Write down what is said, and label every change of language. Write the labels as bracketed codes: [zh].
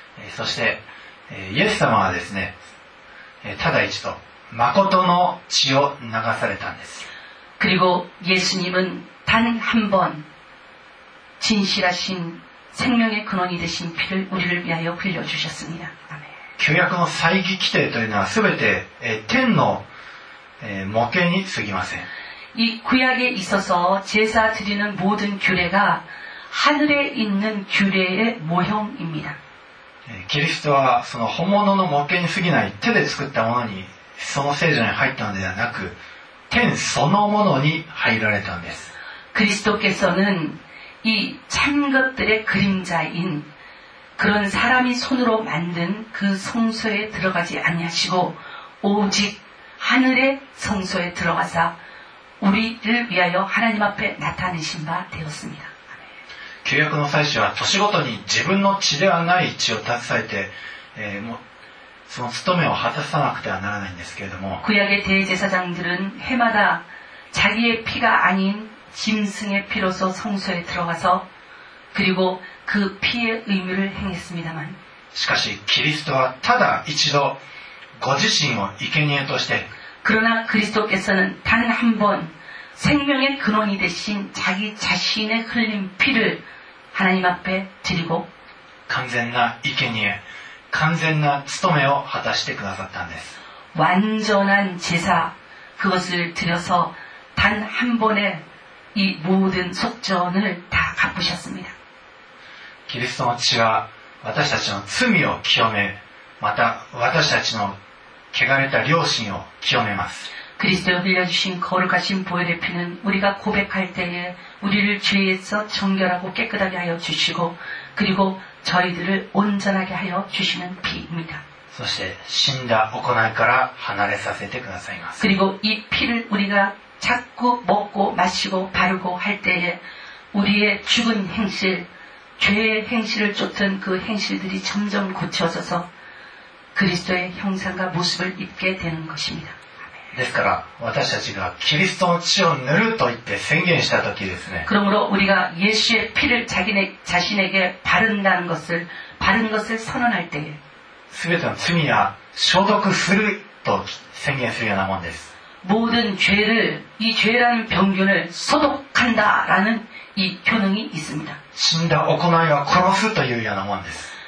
[ja] そしてイエス様はですねただ一度まことの血を流されたんです [ko] 그리고예수님은단한번진실하신생명의근원이되신피를우리를위하여흘려주셨습니다 [ja] 旧約の祭儀規定というのは全て天の模型に過ぎません [ko] 이구약에있어서제사드리는모든규례가하늘에있는규례의모형입니다 [ja] キリストはその本物の模型に過ぎない手で作ったものにその聖所に入ったのではなく天そのものに入られたんです [ko] 그리스도께서는이참것들의그림자인그런사람이손으로만든그성소에들어가지아니하시고오직하늘의성소에들어가서우리를위하여하나님앞에나타내신바되었습니다 [ja] 旧約の祭司は年ごとに自分の血ではない血を携えて、もその務めを果たさなくてはならないんですけれども [ko] 구약의대제사장들은해마다자기의피가아닌짐승의피로서성소에들어가서그리고그피의의미를행했습니다만 [ja] しかしキリストはただ一度ご自身を生贄として [ko] 그러나그리스도께서는단한번생명의근원이되신자기자신의흘린피를하나님앞에드리고 [ja] 完全な生贄完全な務めを果たしてくださったんです [ko] 완전한제사그것을드려서단한번의이모든속전을다갚으셨습니다 [ja] キリストの血は私たちの罪を清め、また私たちの汚れた良心を清めます。 [ko] キリストが흘려주신거룩하신보혈의피는우리가고백할때에우리를죄에서정결하고깨끗하게하여주시고그리고저희들을온전하게하여주시는피입니다 [ja] そして死んだ行いから離れさせてくださいます。 [ko] 그리고이피를우리가자꾸먹고마시고바르고할때에우리의죽은행실죄의행실을쫓은그행실들이점점고쳐져서그리스도의형상과모습을입게되는것입니다 [ja] ですから私たちがキリストの血を塗ると言って宣言した時ですね [ko] 그러므로우리가예수의피를자기네자신에게바른다는것을바른것을선언할때에 [ja] すべての罪や消毒すると宣言するようなもんです [ko] 모든죄를이죄라는병균을소독한다라는이효능이있습니다 [ja] 신다오코나이와코로스というようなもんです